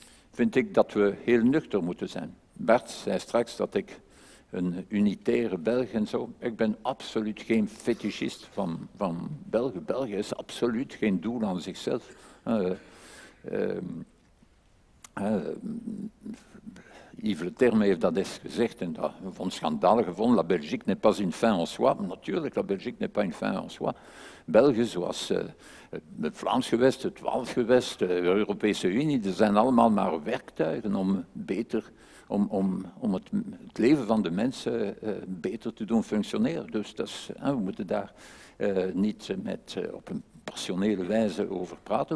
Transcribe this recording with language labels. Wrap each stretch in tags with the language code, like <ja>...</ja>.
<nl>Vind ik dat we heel nuchter moeten zijn. Bart zei straks dat ik een unitaire Belg en zo. Ik ben absoluut geen fetischist van België. België is absoluut geen doel aan zichzelf. Yves Le Terme heeft dat eens gezegd en dat vond schandalig gevonden.</nl> <fr>La Belgique n'est pas une fin en soi. Natuurlijk, la Belgique n'est pas une fin en soi.</fr> <nl>België, zoals het Vlaams gewest, het Waals gewest, de Europese Unie, dat zijn allemaal maar werktuigen om beter, om het leven van de mensen beter te doen functioneren. Dus dat is, we moeten daar niet met op een passionele wijze over praten.</nl>